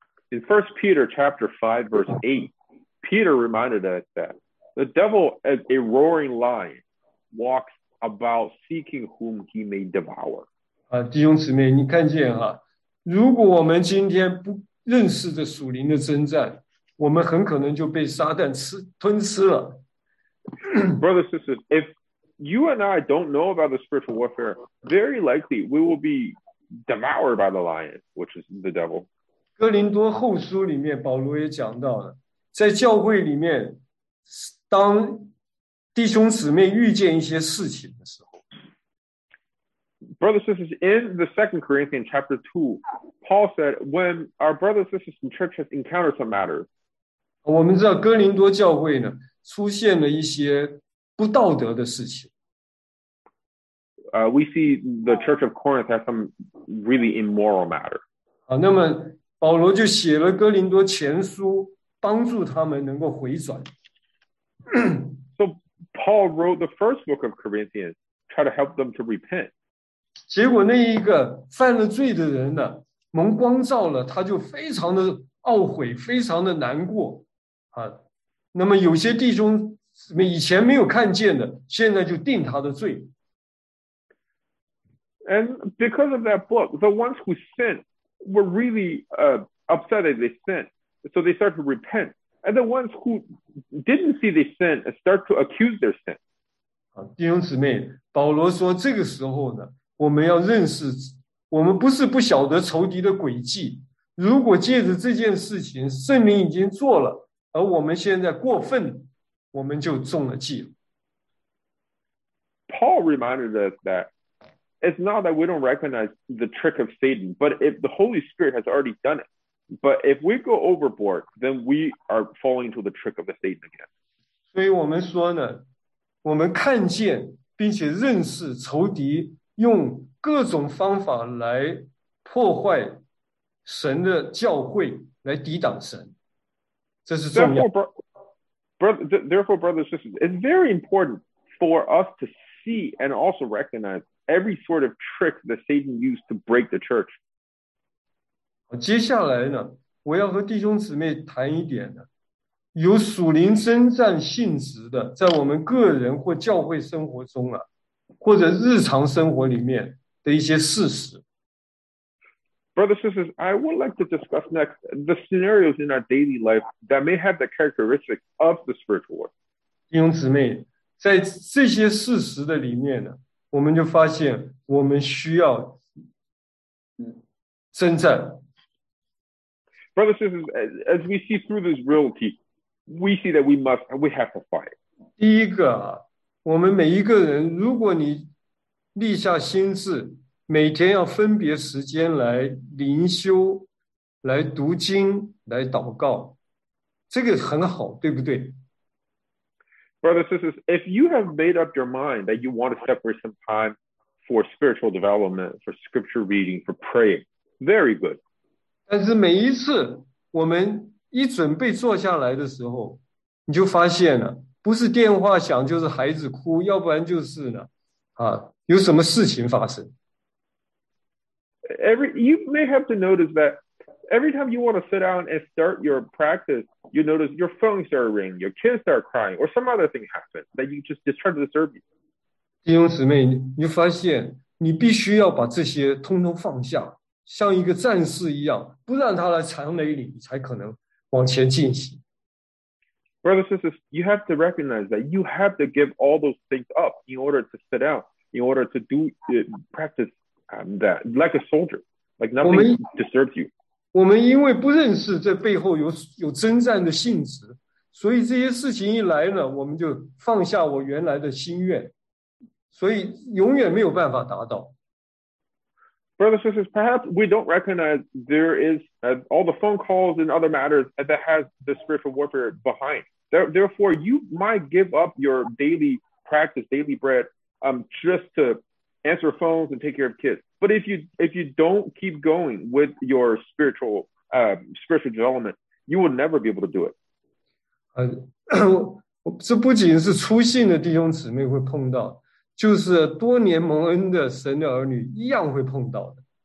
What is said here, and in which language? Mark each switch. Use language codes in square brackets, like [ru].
[en] In 1 Peter chapter 5, verse 8, Peter reminded us that the devil, as a roaring lion, walks about seeking whom he may devour. [zh] 弟兄姊妹，你看见哈，如果我们今天不认识这属灵的征战，我们很可能就被撒旦吃吞吃了。 [en] Brothers and sisters, if you and I don't know about the spiritual warfare, very likely we will be devoured by the lion, which is the devil. [zh] 哥林多后书里面保罗也讲到了，在教会里面，当弟兄姊妹遇见一些事情的时候。 [en] Brothers and sisters, in the 2 Corinthians chapter 2, Paul said, when our brothers and sisters in church have encountered some matter. [zh] 我们知道哥林多教会呢，出现了一些不道德的事情。 [en] we see the church of Corinth has some really immoral matter. [zh] 好，那么保罗就写了哥林多前书，帮助他们能够回转。 [en] So Paul wrote the first book of Corinthians, try to help them to repent. [zh] 结果那一个犯了罪的人呢，蒙光照了，他就非常的懊悔，非常的难过啊。那么有些弟兄以前没有看见的，现在就定他的罪。 [en] And because of that book, the ones who sinned were really upset that they sinned, so they start to repent. And the ones who didn't see they sinned start to accuse their sin. [zh] 弟兄姊妹，保罗说这个时候呢，我们要认识，我们不是不晓得仇敌的诡计。如果借着这件事情，圣灵已经做了，而我们现在过分，我们就中了计了。 [en] Paul reminded us that. It's not that we don't recognize the trick of Satan, but if the Holy Spirit has already done it, but if we go overboard, then we are falling to the trick of the Satan again. [zh] 所以我们说呢，我们看见并且认识仇敌用各种方法来破坏神的教会，来抵挡神，这是重要。 [en] Therefore, brothers and sisters, it's very important for us to see and also recognize. Every sort of trick that Satan used to break the church. [zh] 接下来呢，我要和弟兄姊妹谈一点呢，有属灵征战性质的，在我们个人或教会生活中啊，或者日常生活里面的一些事实。 [en] Brothers and sisters, I would like to discuss next the scenarios in our daily life that may have the characteristics of the spiritual war. [zh] 弟兄姊妹，在这些事实的里面呢。我们就发现我们需要征战。 [en] Brothers and sisters, as we see through this reality, we see that we have to fight. [zh] 第一个，我们每一个人，如果你立下心志，每天要分别时间来灵修，来读经，来祷告，这个很好，对不对？ [en] Brothers and sisters, if you have made up your mind that you want to separate some time for spiritual development, for scripture reading, for praying, very good. [zh] 但是每一次我们一准备坐下来的时候，你就发现了，不是电话响，就是孩子哭，要不然就是呢，啊，有什么事情发生。 [en] You may have to notice that every time you want to sit down and start your practice,You notice your phone started ringing, your kids started crying, or some other thing happened that you just discharged the service. [zh] 弟兄姊妹，你发现你必须要把这些通通放下，像一个战士一样，不让他来缠累你，才可能往前进行。 [en] Brothers and sisters, you have to recognize that you have to give all those things up in order to sit down, in order to do practice that like a soldier, like nothing disturbs you. [zh] 我们因为不认识这背后有征战的性质，所以这些事情一来呢，我们就放下我原来的心愿，所以永远没有办法达到。 [en] Brothers and sisters, perhaps we don't recognize there is all the phone calls and other matters that has the spiritual warfare behind. Therefore, you might give up your daily practice, daily bread, just to answer phones and take care of kids. But if you don't keep going with your spiritual development, you will never be able to do it. [zh] 这不仅是初信的弟兄姊妹会碰到，就是多年蒙恩的神的儿女一样会碰到的。